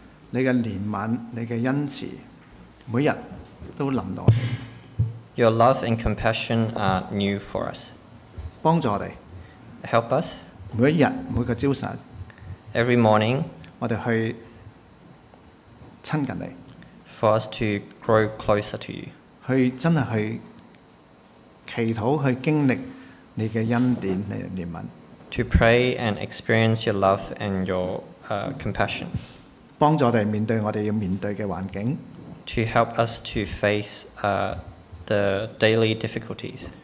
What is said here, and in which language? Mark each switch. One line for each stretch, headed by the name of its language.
Cantonese: 你嘅憐憫，你嘅恩慈，每日都臨到我哋。
English: Your love and compassion are new for us.
Cantonese: 幫助我哋。
English: Help us.
Cantonese: 每日每個朝晨。
English: Every morning.
Cantonese: 我哋去親近你。
English: For us to grow closer to you.
Cantonese: 去真係去祈禱，去經歷你嘅恩典，你嘅憐憫。
English: To pray and experience your love and your compassion.
Cantonese: 幫助我哋面對我哋要面對嘅環境。
English: To help us to face the daily difficulties.